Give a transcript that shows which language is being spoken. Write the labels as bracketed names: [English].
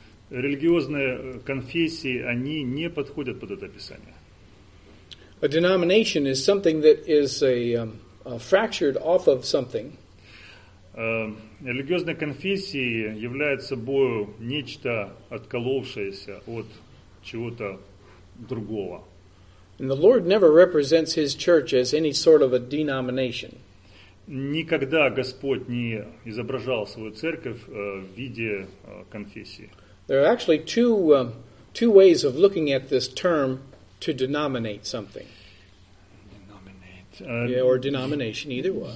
[Russian] Религиозные конфессии, они не подходят под это описание. [English] A denomination is something that is a fractured off of something. [Russian] Религиозные конфессии являются собой нечто отколовшееся от чего-то другого. [English] And the Lord never represents His church as any sort of a denomination. [Russian] Никогда Господь не изображал свою церковь в виде конфессии. [English] There are actually two ways of looking at this term to denominate something. Or denomination, either one.